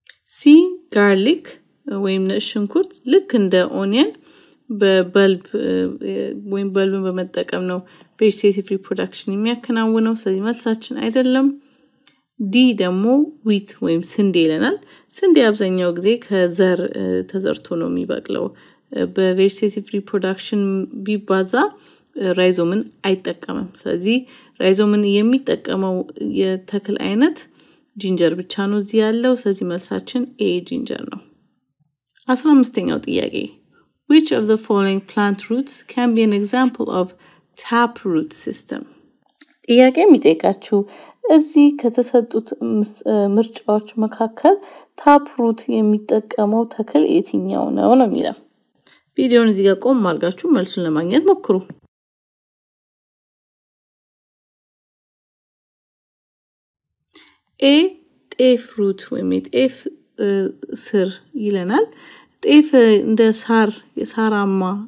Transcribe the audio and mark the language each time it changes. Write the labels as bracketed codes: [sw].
[am] ሲ ጋርሊክ ወይም ነጭ ሽንኩርት ልክ እንደ ኦኒየን በባልብ ወይም ባልብን በመጠቀም ነው ቬጅቴቲቭ ሪፕሮዳክሽን የሚያከናውነው። ስለዚህ መልሳችን አይደለም። ዲ ደግሞ ዊት ወይም ስንዴ ይለናል። ስንዴ አብዛኛው ጊዜ ከዘር ተዘርቶ ነው የሚበቅለው። በቬጅቴቲቭ ሪፕሮዳክሽን ቢባዛ ራይዞምን አይጠቀምም ስለዚህ ራይዞምን የሚጠቀመው የተክል አይነት ጂንጀር ብቻ ነው እዚህ ያለው ስለዚህ መልሳችን ኤ ጂንጀር ነው 15ኛው ጥያቄ [en] which of the following plant roots can be an example of tap root system [am] ጥያቄ የሚጠይቃችሁ እዚህ ከተሰጡት ምርጫዎች መካከል ታፕ ሩት የሚጠቀመው ተክል የትኛው ነው ነው የሚለው ቪዲዮውን እዚህ ጋር ቆም አድርጋችሁ መልሱን ለማግኘት ሞክሩ ኤ ጤፍ ሩት ወይም ጤፍ ስር ይለናል ጤፍ እንደ ሳር የሳራማ